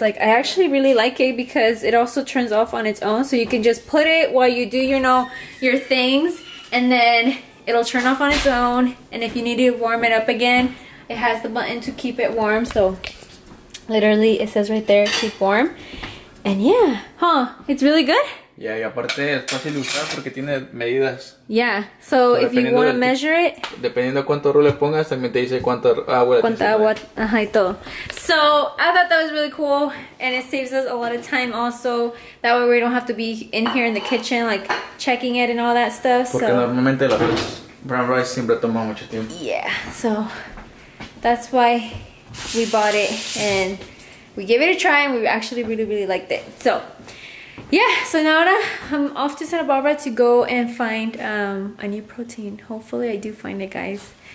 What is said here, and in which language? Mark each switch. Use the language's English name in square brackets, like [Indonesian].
[English] Like, I actually really like it because it also turns off on its own. So you can just put it while you do, you know, your things. And then it'll turn off on its own. And if you need to warm it up again, it has the button to keep it warm. So literally it says right there, keep warm. And yeah, huh? It's really good. [Spanish] Yeah, y aparte es fácil usar porque tiene medidas. [English] Yeah, so if you want to measure it. [Spanish] Dependiendo de cuánto rule pongas, también te dice cuánta agua. Cuánta agua, ajá, y todo. [English] So I thought that was really cool, and it saves us a lot of time. Also, that way we don't have to be in here in the kitchen like checking it and all that stuff. [Spanish] Porque normalmente la [English] brown rice [Spanish] siempre toma mucho tiempo. [English] Yeah, so that's why we bought it and we gave it a try, and we actually really, really liked it. So, yeah. So now I'm off to Santa Barbara to go and find a new protein. Hopefully, I do find it, guys.